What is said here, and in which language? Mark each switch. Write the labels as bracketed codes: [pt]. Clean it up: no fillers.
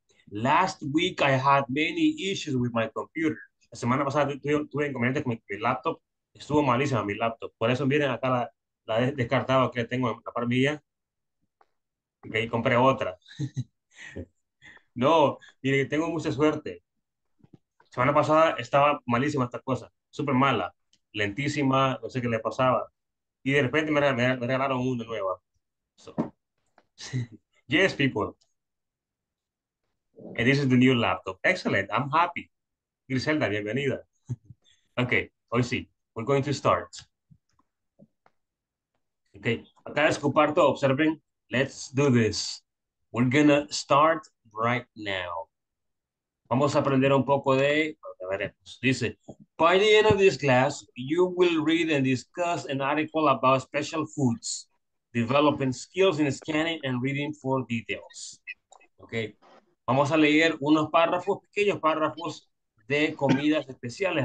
[en] Last week I had many issues with my computer. [es] La semana pasada tuve inconvenientes con mi laptop. Estuvo malísima mi laptop. Por eso miren acá la descartada que tengo en la parmilla. Y que ahí compré otra. No, mire, tengo mucha suerte. Semana pasada estaba malísima esta cosa. Súper mala. Lentísima, no sé qué le pasaba. Y de repente me regalaron una nueva. [en] So. Yes, people. And this is the new laptop. Excellent. I'm happy. Griselda, [es] bienvenida. [en] Okay, [es] hoy sí. [en] We're going to start. [es] Okay, acá les comparto. Observen. [en] Let's do this. We're gonna start right now. [es] Vamos a aprender un poco de. Veremos. [en] Dice, by the end of this class, you will read and discuss an article about special foods, developing skills in scanning and reading for details. Okay. Vamos a leer unos párrafos, pequeños párrafos de comidas especiales.